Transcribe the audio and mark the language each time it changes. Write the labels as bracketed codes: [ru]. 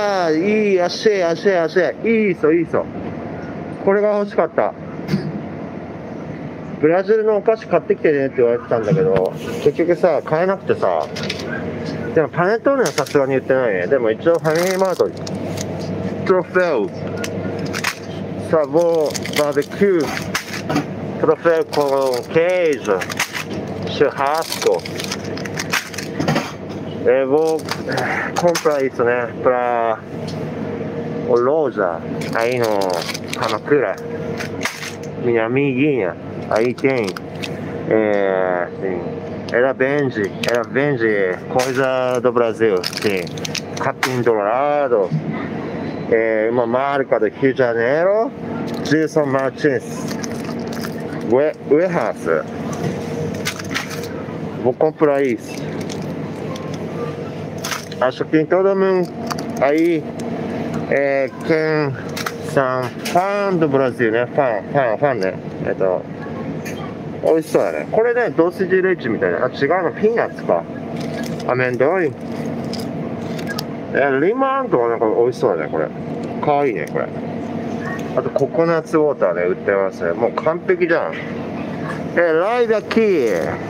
[ja] いい足足足いいぞいいぞこれが欲しかったブラジルのお菓子買ってきてねって言われてたんだけど結局さ買えなくてさでもパネトーネはさすがに言ってないねでも一応ファミリーマートトロフェオサボーバーベキュートロフェオコーンケージシュハースコ [pt] Eu vou comprar isso, né? Pra o loja aí no Kamakura. Minha amiguinha. Aí tem. É, assim, ela vende coisa do Brasil. Sim. Capim Dourado. É uma marca do Rio de Janeiro. Gilson Martins. Warehouse. Vou comprar isso. Acho que todo mundo aí é quem são fã do Brasil, né? Fã, fã, fã, né? Então, olha só, né? [ja] これね、doce de leite みたいな。あ、違うの、ピーナッツか。アメンドイ。え、リマンとかなんか美味しそうだね、これ。かわいいね、これ。あと、ココナッツウォーターね、売ってますね。もう完璧じゃん。え、ライダーキー。